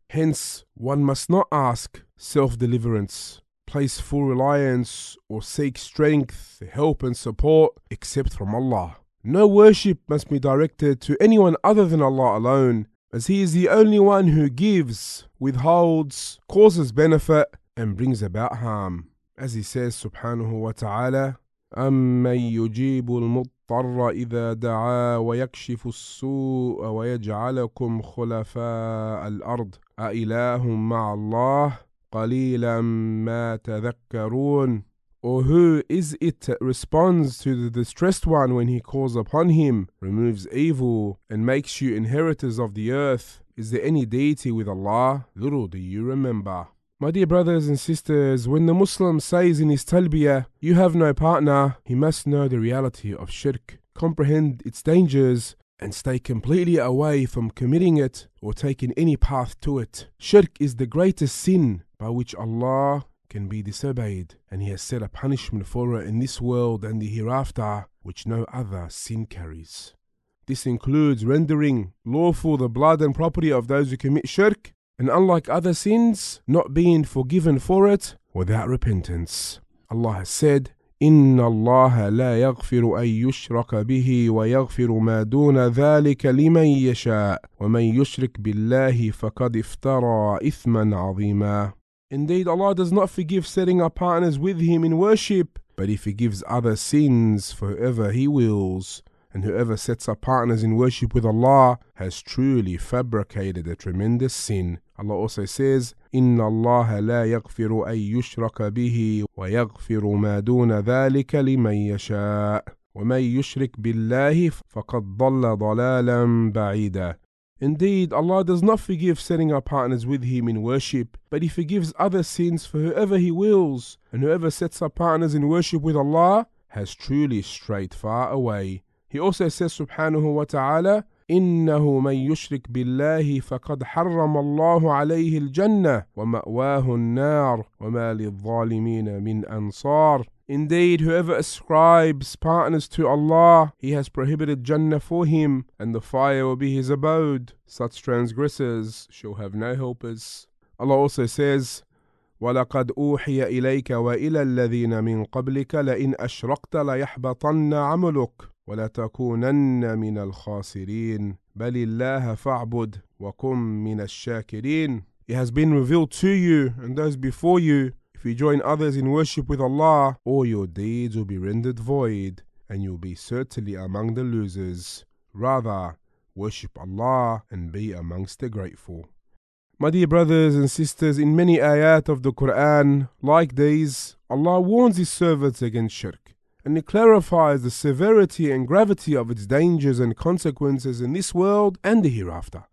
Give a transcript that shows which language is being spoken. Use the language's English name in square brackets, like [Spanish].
[English] Hence, one must not ask self-deliverance, place full reliance, or seek strength, help, and support except from Allah. No worship must be directed to anyone other than Allah alone, as He is the only one who gives, withholds, causes benefit, and brings about harm. As He says, [Arabic] subhanahu wa ta'ala, أَمَّنْ يُجِيبُ الْمُضْطَرَّ إِذَا دَعَى وَيَكْشِفُ السُّوءَ وَيَجْعَلَكُمْ خُلَفَاءَ الْأَرْضِ أَإِلَاهٌ مَعَ اللَّهِ قَلِيلًا مَا تَذَكَّرُونَ. [English] Or who is it that responds to the distressed one when he calls upon him, removes evil, and makes you inheritors of the earth? Is there any deity with Allah? Little do you remember. My dear brothers and sisters, when the Muslim says in his talbiyah, you have no partner, he must know the reality of shirk, comprehend its dangers, and stay completely away from committing it or taking any path to it. Shirk is the greatest sin by which Allah can be disobeyed, and He has set a punishment for it in this world and the hereafter, which no other sin carries. This includes rendering lawful the blood and property of those who commit shirk, and unlike other sins, not being forgiven for it without repentance. Allah has said, [Arabic] إِنَّ اللَّهَ لَا يَغْفِرُ أَن يُشْرَكَ بِهِ وَيَغْفِرُ مَا دُونَ ذَلِكَ لِمَن يَشَاءُ وَمَن يُشْرِكْ بِاللَّهِ فَقَدْ افْتَرَى إِثْمًا عَظِيمًا. [English] Indeed, Allah does not forgive setting up partners with Him in worship, but He forgives other sins for whoever He wills. And whoever sets up partners in worship with Allah has truly fabricated a tremendous sin. Allah also says, [Arabic] إِنَّ اللَّهَ لَا يَغْفِرُ أَن يُشْرَكَ بِهِ وَيَغْفِرُ مَا دُونَ ذَلِكَ لِمَن يَشَاءُ وَمَن يُشْرِكْ بِاللَّهِ فَقَدْ ضَلَّ ضَلَالًا بَعِيدًا. [English] Indeed, Allah does not forgive setting up partners with Him in worship, but He forgives other sins for whoever He wills. And whoever sets up partners in worship with Allah has truly strayed far away. He also says, [Arabic] subhanahu wa ta'ala, إِنَّهُ مَنْ يُشْرِكْ بِاللَّهِ فَقَدْ حَرَّمَ اللَّهُ عَلَيْهِ الْجَنَّةِ وَمَأْوَاهُ النَّارِ وَمَا لِلظَّالِمِينَ مِنْ أَنصَارِ. [English] Indeed, whoever ascribes partners to Allah, He has prohibited Jannah for him, and the fire will be his abode. Such transgressors shall have no helpers. Allah also says, [Arabic] وَلَقَدْ أُوحِيَ إِلَيْكَ وَإِلَى الَّذِينَ مِنْ قَبْلِكَ لَإِنْ أَشْرَقْتَ لَيَحْبَطَنَّ عَمَلُكَ ولا تكونن من الخاسرين بل الله فاعبد وكن من الشاكرين. [English] It has been revealed to you and those before you, if you join others in worship with Allah, all your deeds will be rendered void and you'll be certainly among the losers. Rather, worship Allah and be amongst the grateful. My dear brothers and sisters, in many ayat of the Quran like these, Allah warns His servants against shirk, and He clarifies the severity and gravity of its dangers and consequences in this world and the hereafter.